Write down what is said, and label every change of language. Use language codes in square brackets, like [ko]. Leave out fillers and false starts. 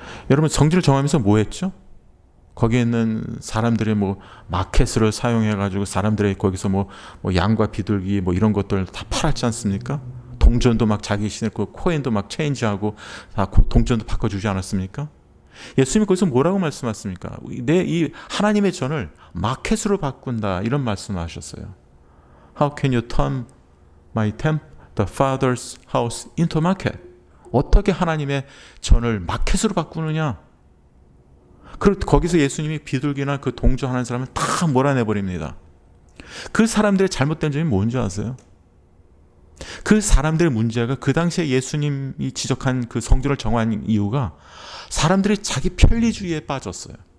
[ko] 여러분, 성전을 정화하면서 뭐 했죠? 거기에 있는 사람들의 뭐 마켓을 사용해가지고 사람들의 거기서 뭐 양과 비둘기 뭐 이런 것들 다 팔았지 않습니까? 동전도 막 자기 신을 그 코인도 막 체인지하고 다 동전도 바꿔주지 않았습니까? 예수님이 거기서 뭐라고 말씀하셨습니까? 내 이 하나님의 전을 마켓으로 바꾼다 이런 말씀하셨어요. [en] How can you turn my temple, the Father's house into market? [ko] 어떻게 하나님의 전을 마켓으로 바꾸느냐? 그리고 거기서 예수님이 비둘기나 그 동조 하는 사람을 다 몰아내버립니다. 그 사람들의 잘못된 점이 뭔지 아세요? 그 사람들의 문제가 그 당시에 예수님이 지적한 그 성전을 정화한 이유가 사람들이 자기 편리주의에 빠졌어요.